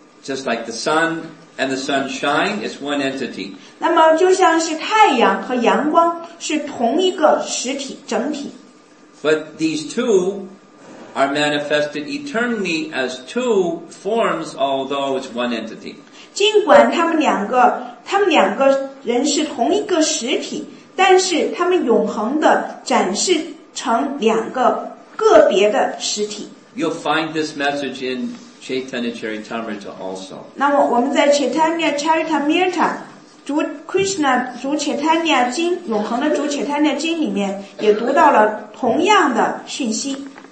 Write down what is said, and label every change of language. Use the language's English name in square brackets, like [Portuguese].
[English] Just like the sun and the sunshine is one entity. [Chinese] 那么就像是太阳和阳光是同一个实体整体。 [English] But these two are manifested eternally as two forms, although it's one entity. [Chinese] 尽管他们两个人是同一个实体，但是他们永恒地展示成两个个别的实体。 [English] You'll find this message in Chaitanya Charitamrita also. [Chinese] 那么我们在 Chaitanya Charitamrita, 主 Krishna, 主 Chaitanya 经，永恒的主 Chaitanya 经里面也读到了同样的讯息。